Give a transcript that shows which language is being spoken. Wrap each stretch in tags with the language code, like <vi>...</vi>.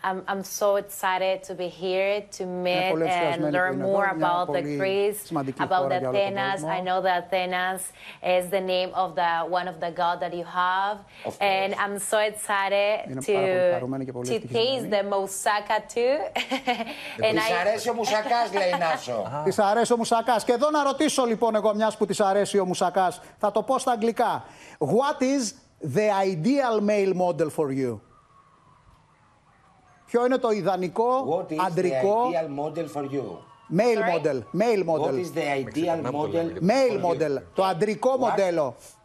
<en>I'm so excited to be here to meet and learn more about the Greece, about the Athenas. I know that Athenas is the name of the one of the god that you have, and I'm so excited to taste the moussaka too.</en> <el>Της αρέσει ο μουσακάς. Και εδώ να ρωτήσω λοιπόν εγώ, μιας που της αρέσει ο μουσακάς, θα το πω στα αγγλικά.</el> <en>What is the ideal male model for you?</en> <el>Ποιο είναι το ιδανικό, αντρικό,</el> <en>ideal model for you? Male model, male model. What is the ideal model? Male model,</en> <el>το αντρικό μοντέλο.</el>